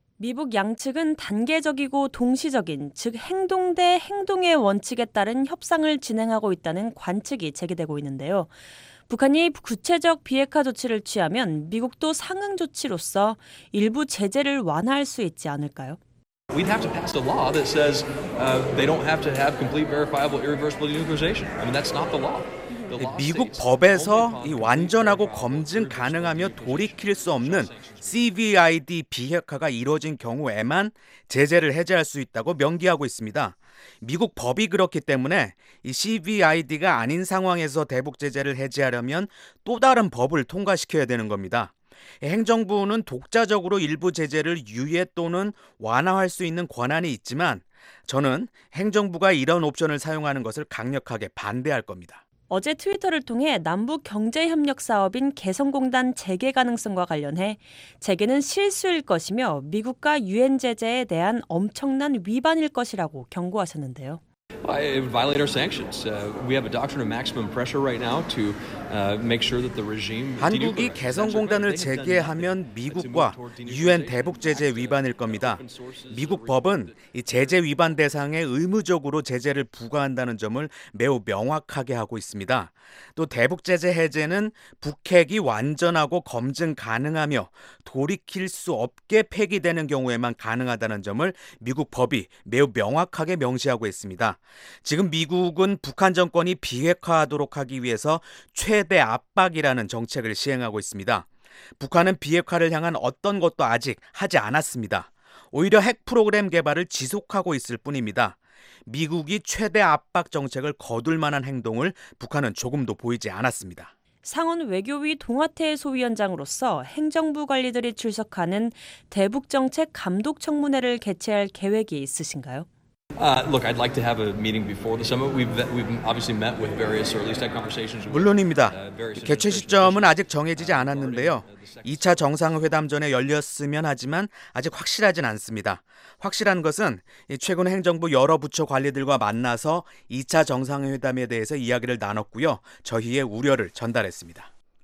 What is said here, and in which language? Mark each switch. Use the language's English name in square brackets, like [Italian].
[Korean] 미북 양측은 단계적이고 동시적인 즉 행동 대 행동의 원칙에 따른 협상을 진행하고 있다는 관측이 제기되고 있는데요. 북한이 구체적 비핵화 조치를 취하면 미국도 상응 조치로서 일부 제재를 완화할 수 있지 않을까요? [English] We'd have to pass a law that says they don't have to have complete verifiable irreversible denuclearization. I mean that's not the law. [Korean] 미국 법에서 이 완전하고 검증 가능하며 돌이킬 수 없는 CVID 비핵화가 이루어진 경우에만 제재를 해제할 수 있다고 명기하고 있습니다. 미국 법이 그렇기 때문에 이 CVID가 아닌 상황에서 대북 제재를 해제하려면 또 다른 법을 통과시켜야 되는 겁니다. 행정부는 독자적으로 일부 제재를 유예 또는 완화할 수 있는 권한이 있지만 저는 행정부가 이런 옵션을 사용하는 것을 강력하게 반대할 겁니다. 어제 트위터를 통해 남북 경제협력 사업인 개성공단 재개 가능성과 관련해 재개는 실수일 것이며 미국과 유엔 제재에 대한 엄청난 위반일 것이라고 경고하셨는데요. [English] It would violate our sanctions. We have a doctrine of maximum pressure right now to make sure that the regime. [Korean] 한국이 개성공단을 재개하면 미국과 유엔 대북 제재 위반일 겁니다. 미국 법은 이 제재 위반 대상에 의무적으로 제재를 부과한다는 점을 매우 명확하게 하고 있습니다. 또 대북 제재 해제는 북핵이 완전하고 검증 가능하며 돌이킬 수 없게 폐기되는 경우에만 가능하다는 점을 미국 법이 매우 명확하게 명시하고 있습니다. 지금 미국은 북한 정권이 비핵화하도록 하기 위해서 최대 압박이라는 정책을 시행하고 있습니다. 북한은 비핵화를 향한 어떤 것도 아직 하지 않았습니다. 오히려 핵 프로그램 개발을 지속하고 있을 뿐입니다. 미국이 최대 압박 정책을 거둘 만한 행동을 북한은 조금도 보이지 않았습니다. 상원 외교위 동아태 소위원장으로서 행정부 관리들이 출석하는 대북정책 감독청문회를 개최할 계획이 있으신가요? [English] Look, I'd like to have a meeting before the summit. We've obviously met with various early stage conversations. [Korean] 물론입니다. 개최 시점은 아직 정해지지 않았는데요. 2차 정상회담 전에 열렸으면 하지만 아직 확실하진 않습니다. 확실한 것은 최근 행정부 여러 부처 관리들과 만나서 2차 정상회담에 대해서 이야기를 나눴고요. 저희의 우려를 전달했습니다.